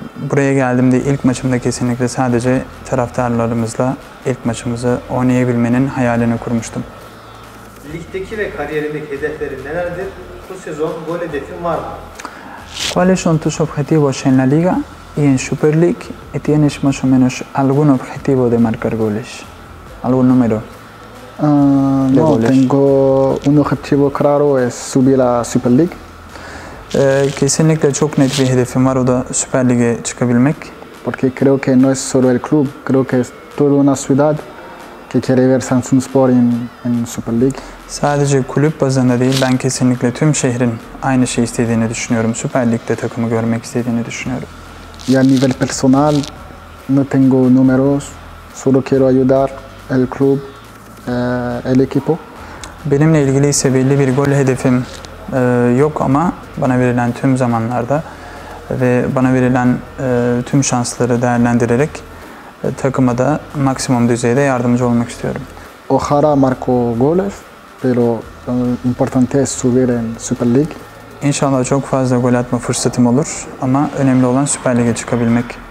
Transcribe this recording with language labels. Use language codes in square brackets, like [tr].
[tr] Buraya geldiğimde ilk maçımda kesinlikle sadece taraftarlarımızla ilk maçımızı oynayabilmenin hayalini kurmuştum. Ligdeki ve kariyerindeki hedefleri nelerdir? Bu sezon gol hedefin var mı? [es] ¿Cuáles son tus objetivos en la liga y en Super League? ¿Tienes más o menos algún objetivo de marcar goles? ¿Algún número? No, goles? Tengo un objetivo claro, es subir a Super League. [tr] Kesinlikle çok net bir hedefim var, o da Süper Lig'e çıkabilmek. [es] Porque creo que no es solo el club, creo que es toda una ciudad que quiere ver Samsunspor en Super Lig. [tr] Sadece kulüp bazında değil, ben kesinlikle tüm şehrin aynı şeyi istediğini düşünüyorum. Süper Lig'de takımı görmek istediğini düşünüyorum. [es] Y a nivel personal no tengo números, solo quiero ayudar el club, el equipo. [tr] Benimle ilgili ise belli bir gol hedefim yok ama bana verilen tüm zamanlarda ve bana verilen tüm şansları değerlendirerek takıma da maksimum düzeyde yardımcı olmak istiyorum. [es] Ojalá marco goles, pero importante es subir en Super League. [tr] İnşallah çok fazla gol atma fırsatım olur ama önemli olan Süper Lig'e çıkabilmek.